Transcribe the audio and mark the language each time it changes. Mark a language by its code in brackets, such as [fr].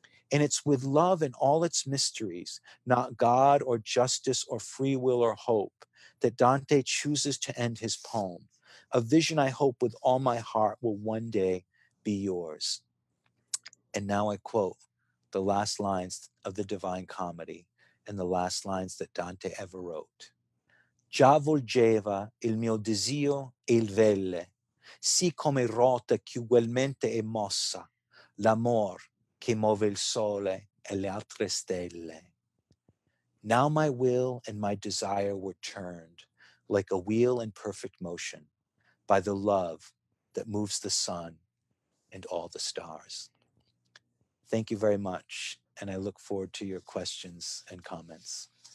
[en] And it's with love and all its mysteries, not God or justice or free will or hope, that Dante chooses to end his poem, a vision I hope with all my heart will one day be yours. And now I quote the last lines of the Divine Comedy and the last lines that Dante ever wrote. [it] Già volgeva il mio desio e il velle, sì come rota che ugualmente è mossa, l'amor che muove il sole e le altre stelle. [en] Now my will and my desire were turned like a wheel in perfect motion by the love that moves the sun and all the stars. Thank you very much, and I look forward to your questions and comments.